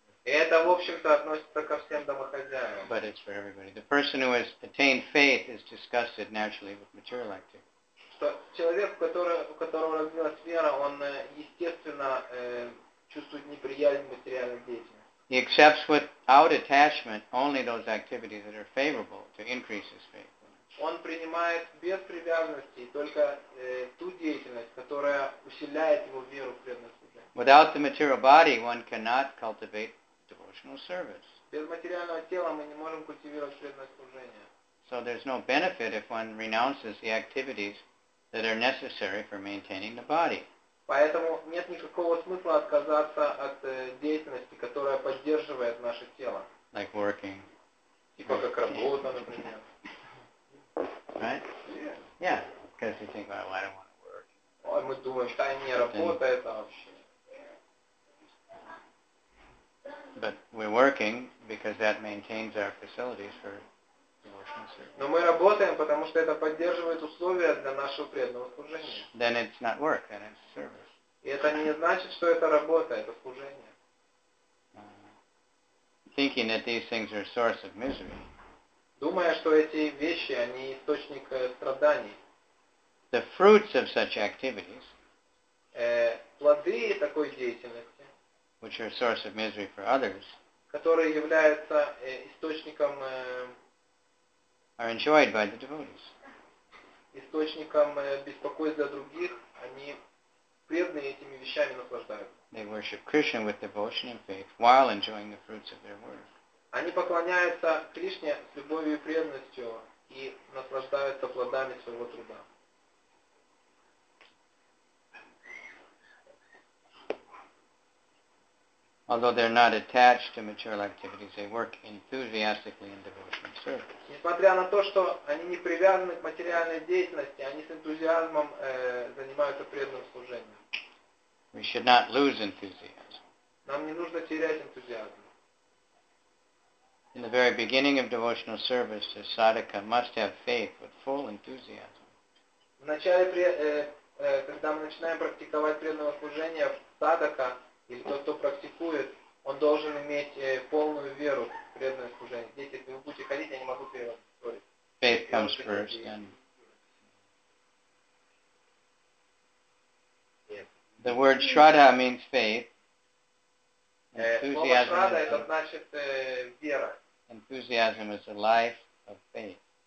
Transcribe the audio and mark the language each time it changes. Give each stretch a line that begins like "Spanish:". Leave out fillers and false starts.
Russian: Это, в общем-то, относится ко всем домохозяевам.
English: But it's for everybody. The person who has attained faith is disgusted naturally with material activity.
Russian: Что человек, у которого развилась вера, он естественно чувствует неприязнь к материальной деятельности.
English: He accepts without attachment only those activities that are favorable to increase his faith.
Russian: Он принимает без привязанности только ту деятельность, которая усиляет его веру в преданность.
English: Without the material body, one cannot cultivate devotional service.
Russian: Без материального тела мы не можем культивировать преданное служение.
English: So there's no benefit if one renounces the activities that are necessary for maintaining the body.
Russian: Поэтому нет никакого смысла отказаться от деятельности, которая поддерживает наше тело.
English: Like working.
Russian: Типа как работа, например.
English: Right? Yeah. Yeah, because you think, well, I don't want to work.
Russian: Ой, мы думаем, что не работа, это вообще.
English: But we're working because that maintains our facilities for devotional service.
Russian: Но мы работаем, потому что это поддерживает условия для нашего преданного служения.
English: Then it's not work, then it's service.
Russian: это не значит, что это работа, это служение.
English: Thinking that these things are a source of misery.
Russian: Думая, что эти вещи, они источник страданий.
English: The fruits of such activities.
Russian: Плоды такой деятельности.
English: Which are a source of misery for others.
Russian: Которые являются источником.
English: Are enjoyed by the devotees.
Russian: Источником беспокойств для других, они преданные этими вещами наслаждаются.
English: They worship Krishna with devotion and faith while enjoying the fruits of their work.
Russian: Они поклоняются Кришне с любовью и преданностью и наслаждаются плодами своего труда.
English: Although they're not attached to material activities, they work enthusiastically in devotional service.
Russian: Несмотря на то, что они не привязаны к материальной деятельности, они с энтузиазмом занимаются преданным служением.
English: We should not lose enthusiasm.
Russian: Нам не нужно терять энтузиазм.
English: In the very beginning of devotional service, a sadhaka must have faith with full enthusiasm.
Russian: В начале, когда мы начинаем практиковать преданное служение, садака или тот, кто практикует, он должен иметь полную веру в преданное служение. Дети, если вы будете ходить, я не могу перед вами строить.
English: Faith comes first, then. The word Shraddha means faith.
Russian: Enthusiasm, слово Shraddha, это значит вера.
English: Enthusiasm is the life of faith.